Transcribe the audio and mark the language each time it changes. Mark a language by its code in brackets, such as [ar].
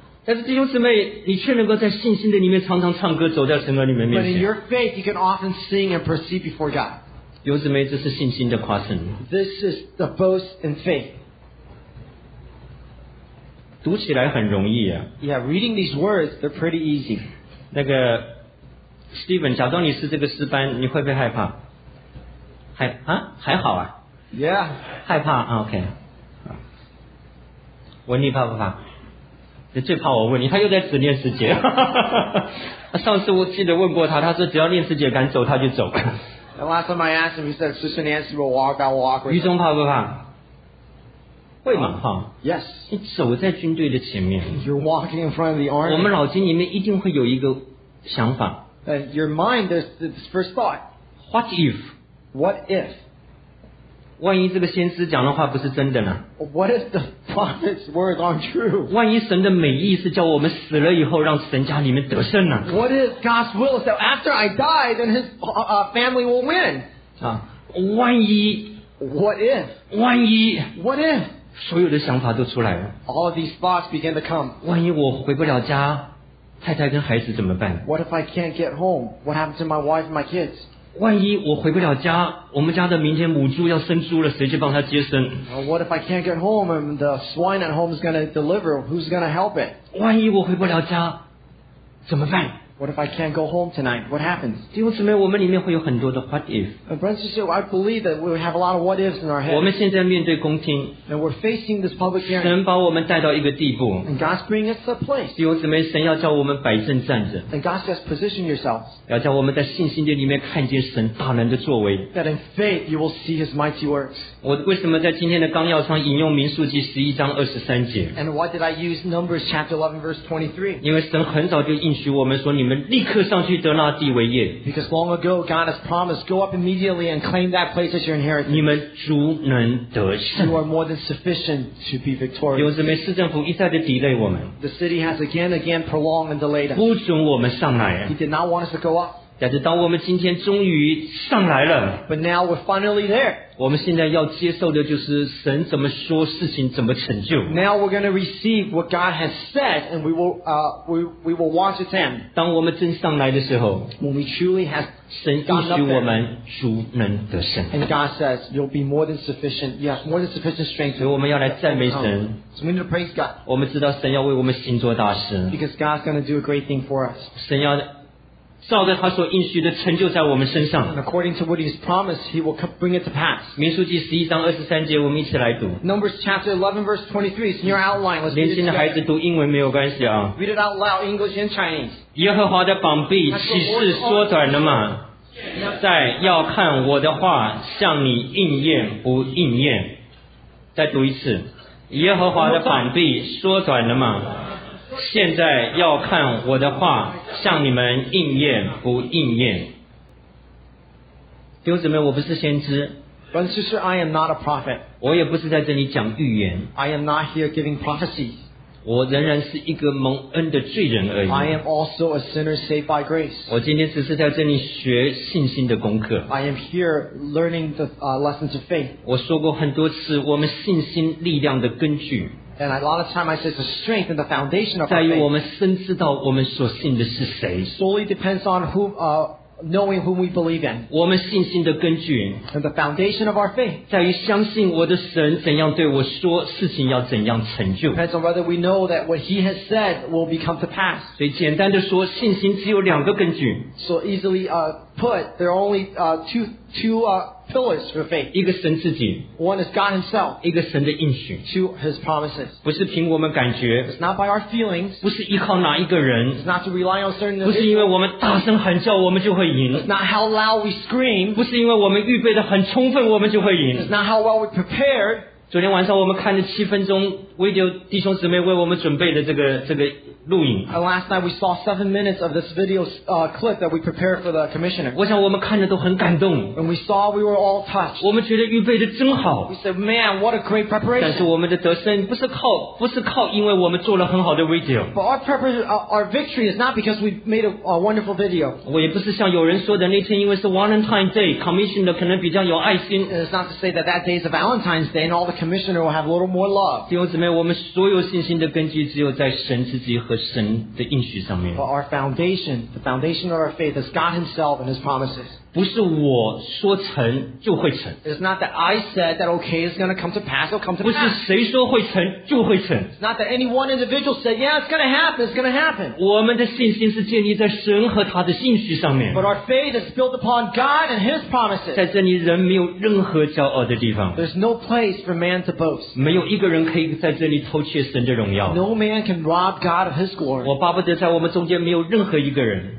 [zh] 但是弟兄姊妹，你却能够在信心的里面常常唱歌，走在神儿女们面前。 [en] But in your faith, you can often sing and proceed before God. [zh] 弟兄姊妹，这是信心的夸胜。 [en] This is the boast in faith. [zh] 读起来很容易啊。 [en] Yeah, reading these words, they're pretty easy. [zh] 那个 Stephen, 假装你是这个诗班，你会不会害怕？还好啊。 [en] Yeah. [zh] 害怕 ？OK. 文丽怕不怕？你最怕我问你，他又在指念师姐。上次我记得问过他，他说只要念师姐敢走，他就走。 [en] The last time I asked him, he said, "Sister Nancy will walk, I'll walk." [zh] 于中怕不怕？会嘛哈 [en] ？Yes. [zh] 你走在军队的前面。 [en] You're walking in front of the army. [zh] 我们脑筋里面一定会有一个想法。 [en] Your mind is this first thought. What if? What if? [zh] 万一这个先知讲的话不是真的呢 [en] ？What if the prophet's words aren't true？ [zh] 万一神的美意是叫我们死了以后让神家里面得胜呢 [en] ？What if God's will is that after I die, then his family will win？ [zh] 万一 [en] ？What if？ [zh] 万一 [en] ？What if？ [zh] 所有的想法都出来了。 [en] All these thoughts begin to come。 [zh] 万一我回不了家，太太跟孩子怎么办 [en] ？What if I can't get home？ What happens to my wife and my kids？ [zh] 万一我回不了家，我们家的明天母猪要生猪了，谁去帮他接生 [en] ？What if I can't get home and the swine at home is going to deliver? Who's going to help it? [zh] 万一我回不了家，怎么办 [en] What if I can't go home tonight? What happens? [zh] 弟兄姊妹，我们里面会有很多的 [en] what if. Brothers and sisters, I believe that we have a lot of what ifs in our heads. [zh] 我们现在面对公听。 [en] And we're facing this public hearing. [zh] 神把我们带到一个地步。 [en] And God's bringing us to a place. [zh] 弟兄姊妹，神要叫我们摆正站着。 [en] And God says, position yourselves. [zh] 要叫我们在信心的里面看见神大能的作为。 [en] That in faith you will see His mighty works. [zh] 我为什么在今天的纲要上引用民数记十一章二十三节？ [en] And why did I use Numbers chapter 11 verse 23? [zh] 因为神很早就应许我们说你们。 [en] Because long ago God has promised, go up immediately and claim that place as your inheritance. [zh] 你们足能得胜。 [en] You are more than sufficient to be victorious. [zh] 有什么市政府一再的 delay 我们。 [en] The city has again prolonged and delayed us. [zh] 不准我们上来。 [en] He did not want us to go up. [zh] 但是当我们今天终于上来了。 [en] But now we're finally there. [zh] 我们现在要接受的就是神怎么说事情怎么成就。 [en] Now we're going to receive what God has said, and we will watch it end. [zh] 当我们真上来的时候 [en] ，When we truly have [zh] 神应许我们足能得胜。 [en] And God says you'll be more than sufficient. Yes, more than sufficient strength. [zh] 所以我们要来赞美神。 [en] So we need to praise God. [zh] 我们知道神要为我们行做大事。 [en] Because God's going to do a great thing for us. [zh] 神要照着他所应许的成就在我们身上。 [en] And according to what he's promised, he will bring it to pass. [zh] 民数记十一章二十三节，我们一起来读。 [en] Numbers chapter 11 verse 23, it's in your outline. [zh] 年轻的孩子读英文没有关系啊。 [en] Read it out loud, English and Chinese. [zh] 耶和华的膀臂岂是缩短了吗？再要看我的话向你应验不应验。再读一次，耶和华的膀臂缩短了吗？现在要看我的话向你们应验不应验。弟兄姊妹，我不是先知。 [en] But sister, I am not a prophet. [zh] 我也不是在这里讲预言。 [en] I am not here giving prophecies. [zh] 我仍然是一个蒙恩的罪人而已。 [en] I am also a sinner saved by grace. [zh] 我今天只是在这里学信心的功课。 [en] I am here learning the lessons of faith. [zh] 我说过很多次，我们信心力量的根据。 [en] And a lot of time I say it's the strength and the foundation of our faith. [zh] 在于我们深知道我们所信的是谁。 [en] Solely depends on who, knowing whom we believe in. [zh] 我们信心的根据。 [en] And the foundation of our faith. [zh] 在于相信我的神怎样对我说事情要怎样成就。 [en] Depends on whether we know that what he has said will come to pass. [zh] 所以简单的说，信心只有两个根据。 [en] So easily put, there are only two pillars for faith. [zh] 一个神自己。 [en] One is God himself. [zh] 一个神的应许。 [en] Two, his promises. [zh] 不是凭我们感觉。 [en] It's not by our feelings. [zh] 不是依靠哪一个人。 [en] It's not to rely on certain people. [zh] 不是因为我们大声喊叫我们就会赢。 [en] It's not how loud we scream. [zh] 不是因为我们预备得很充分我们就会赢。 [en] It's not how well we prepared. [zh] 昨天晚上我们看了七分钟 video 弟兄姊妹为我们准备的这个录影。 [en] Last night we saw 7 minutes of this video clip that we prepared for the commissioner. [zh] 我想我们看的都很感动。 [en] And we saw we were all touched. [zh] 我们觉得预备的真好。 [en] We said, man, what a great preparation. [zh] 但是我们的得胜不是靠因为我们做了很好的 video. [en] But our victory is not because we made a wonderful video. [zh] 我也不是像有人说的那天因为是 Valentine's Day, commissioner 可能比较有爱心。 [en] It's not to say that that day is a Valentine's Day and all the commissioner will have a little more love. [zh] 弟兄姊妹，我们所有信心的根据只有在神自己。 [en] But our foundation, the foundation of our faith is God himself and his promises. [zh] 不是我说成就会成。 [en] It's not that I said that okay is going to come to pass, it'll come to pass. [zh] 不是谁说会成就会成。 [en] It's not that any one individual said, yeah, it's going to happen, it's going to happen. [zh] 我们的信心是建立在神和他的应许上面。 [en] But our faith is built upon God and his promises. [zh] 在这里人没有任何骄傲的地方。 [en] There's no place for man to boast. [zh] 没有一个人可以在这里偷窃神的荣耀。 [en] No man can rob God of his glory. [zh] 我巴不得在我们中间没有任何一个人。